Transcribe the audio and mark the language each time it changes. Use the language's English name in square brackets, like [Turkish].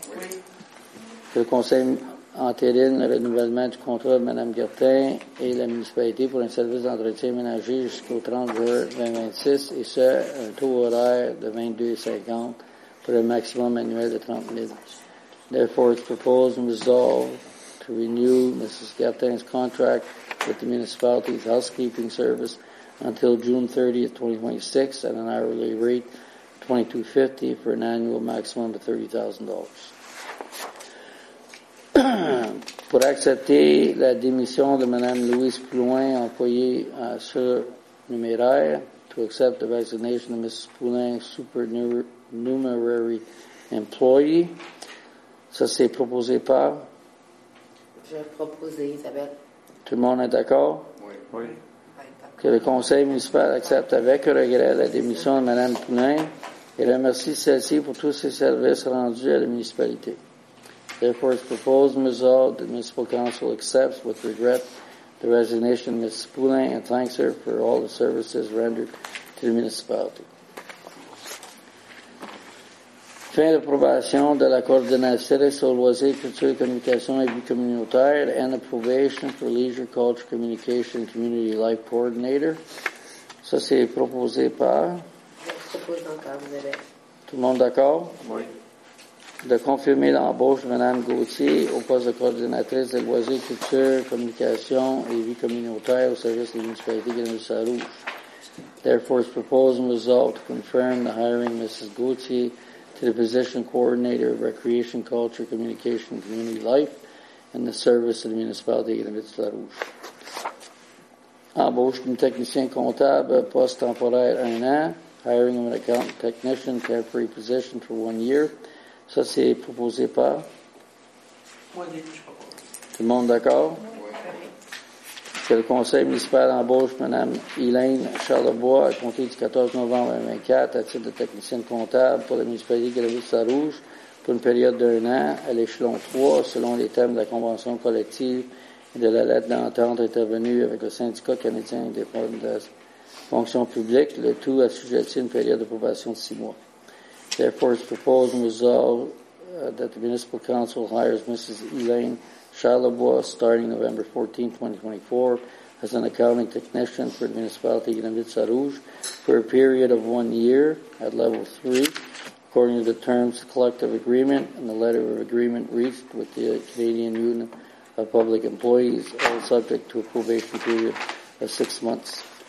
[French] Oui. Le conseil entérine le renouvellement du contrat de Mme Gertin et la municipalité pour un service d'entretien ménager jusqu'au 30 juin 2026 et ce, un taux horaire de 22,50 pour un maximum annuel de 30 000. [English] Therefore, it's proposed and resolved to renew Mrs. Gertin's contract with the municipality's housekeeping service until June 30th, 2026 at an hourly rate $22.50 for an annual maximum of $30,000. [French] Pour accepter la démission de Mme Louise Poulin, employée surnuméraire, [English] to accept the resignation of Mrs. Poulin, supernumerary employee. [French] Ça, c'est proposé par? Je propose Isabelle. Tout le monde est d'accord? Oui. Que le conseil municipal accepte avec regret la démission de Mme Poulin. Et remercie celle-ci pour tous ses services rendus à la municipalité. [English] Therefore, it's proposed and resolved that the municipal council accepts with regret the resignation of Mrs. Poulin and thanks her for all the services rendered to the municipality. [French] Fin d'approbation de la coordination sur loisirs, culture, communication et vie communautaire [English] and approbation for leisure, culture, communication and community life coordinator. [French] Ça, c'est proposé par... Tout le monde d'accord? Oui. De confirmer l'embauche de Mme Gauthier au poste de coordinatrice des loisirs, culture, communication et vie communautaire au service des municipalités de Grenoble-Sarrouche. [English] Therefore, it's proposed and resolved to confirm the hiring of Mrs. Gauthier to the position coordinator of recreation, culture, communication, and community life and the service of the municipality of Grenoble-Sarrouche. [French] Embauche d'un technicien comptable, poste temporaire un an. [English] Hiring of an account technician, temporary position for 1 year. [French] Ça, c'est proposé par? Moi, je propose. Tout le monde d'accord? Oui. Que le conseil municipal embauche Mme Hélène Charlebois à compter du 14 novembre 2024 à titre de technicienne comptable pour la municipalité de Grenoble-Sarrouge pour une période d'un an à l'échelon 3 selon les termes de la convention collective et de la lettre d'entente intervenue avec le syndicat canadien indépendant de la fonction publique, le tout assujetti à une période d'approbation de 6 mois. [English] Therefore, it's proposed and resolved that the Municipal Council hires Mrs. Elaine Charlebois starting November 14, 2024 as an accounting technician for the municipality of Grenoble-Sarrouge for a period of 1 year at level 3, according to the terms of the collective agreement and the letter of agreement reached with the Canadian Union of Public Employees, all subject to a probation period of 6 months.